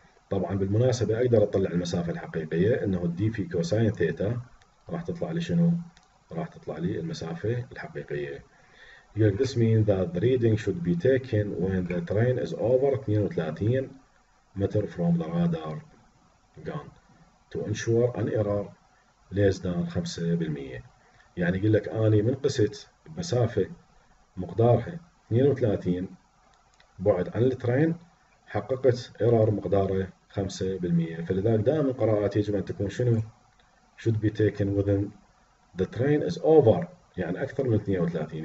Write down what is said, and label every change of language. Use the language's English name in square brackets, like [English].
[Arabic] طبعا بالمناسبة أقدر أطلع المسافة الحقيقية، إنه الدي في كوساين ثيتا راح تطلع لي شنو؟ راح تطلع لي المسافة الحقيقية. يقول [English] this means that the reading should be taken when the train is over 32 متر from the radar gun to ensure an error less than 5%. [Arabic] يعني يقول لك أني من قست مسافة مقدارها 32 بعد عن الترين، حققت ايرور مقداره 5%. فلذلك دائما قراءاتي يجب ان تكون شنو؟ [English] should be taken within the train is over، [Arabic] يعني اكثر من 32.